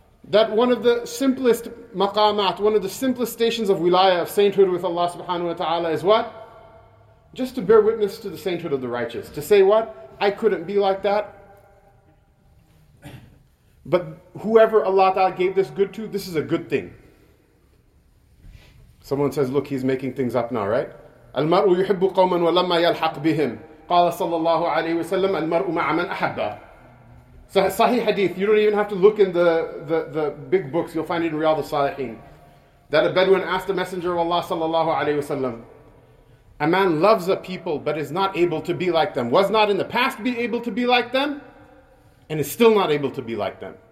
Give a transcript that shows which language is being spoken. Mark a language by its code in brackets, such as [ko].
[en] That one of the simplest maqamat, one of the simplest stations of wilaya, of sainthood with Allah subhanahu wa ta'ala is what? Just to bear witness to the sainthood of the righteous. To say what? I couldn't be like that. But whoever Allah ta'ala gave this good to, this is a good thing. Someone says, look, he's making things up now, right? [ar] المرء يحب قوما ولما يلحق بهم قال صلى الله عليه وسلم المرء مع من أحب. [en] Sahih hadith. You don't even have to look in the big books. You'll find it in Riyadh al-Salihin. That a Bedouin asked the Messenger of Allah صلى الله عليه وسلم, a man loves a people but is not able to be like them, was not in the past be able to be like them, and is still not able to be like them.